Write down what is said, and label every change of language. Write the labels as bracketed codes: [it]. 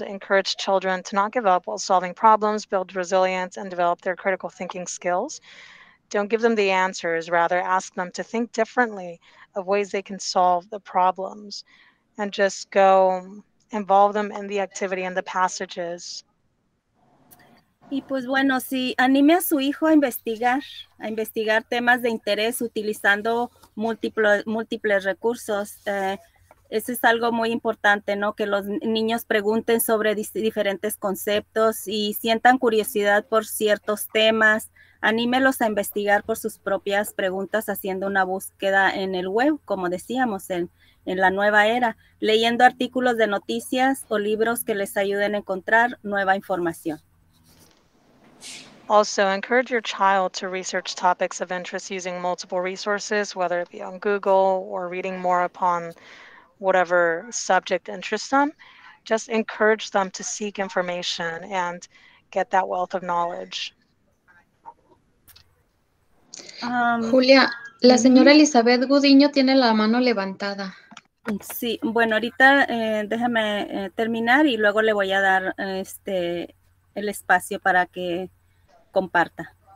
[en] Encourage children to not give up while solving problems, build resilience and develop their critical thinking skills. Don't give them the answers, rather ask them to think differently of ways they can solve the problems and just go involve them in the activity and the passages. [es] Y pues bueno, si anime a su hijo a investigar temas de interés utilizando múltiples recursos, eso es algo muy importante, ¿no? Que los niños pregunten sobre diferentes conceptos y sientan curiosidad por ciertos temas. Anímelos a investigar por sus propias preguntas haciendo una búsqueda en el web, como decíamos, en la nueva era, leyendo artículos de noticias o libros que les ayuden a encontrar nueva información. [en] Also, encourage your child to research topics of interest using multiple resources, whether it be on Google or reading more upon whatever subject interests them. Just encourage them to seek information and get that wealth of knowledge. [es] Julia, la señora Elizabeth Gudiño tiene la mano levantada. Sí, bueno, ahorita déjame terminar y luego le voy a dar el espacio para que comparta.